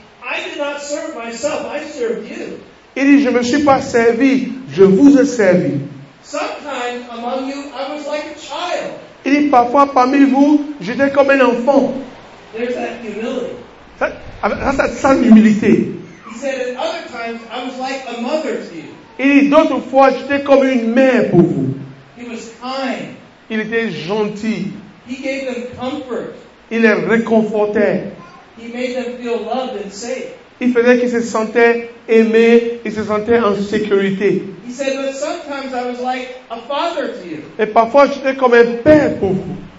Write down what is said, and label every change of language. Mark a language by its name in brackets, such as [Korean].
[English] I did not serve myself, I served you. [French] Il dit, je ne me suis pas servi, je vous ai servi. [English] Sometimes among you, I was like a child. [French] Il dit, parfois parmi vous, j'étais comme un enfant. [English] There's that humility. [French] Ça, c'est sa humilité. [English] He said, at other times, I was like a mother to you. [French] Il dit, d'autres fois, j'étais comme une mère pour vous. [English] He was kind. [French] Il était gentil. [English] He gave them comfort. [French] Il les réconfortait. [English] He made them feel loved and safe. [French] Il faisait qu'ils se sentaient aimés, ils se sentaient en sécurité. [English] He said, but sometimes I was like a father to you. [French] Et parfois, j'étais comme un père pour vous.